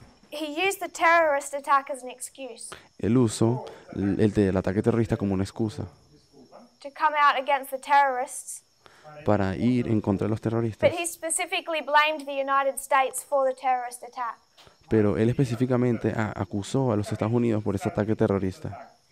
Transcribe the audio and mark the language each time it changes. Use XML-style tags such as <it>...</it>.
<en>He used the terrorist attack as an excuse.</en> <es>Él usó el ataque terrorista como una excusa.</es> <en>To come out against the terrorists.</en> <es>Para ir en contra de los terroristas.</es> <en>But he specifically blamed the United States for the terrorist attack.</en> <es>Pero él específicamente acusó a los Estados Unidos por ese ataque terrorista.</es>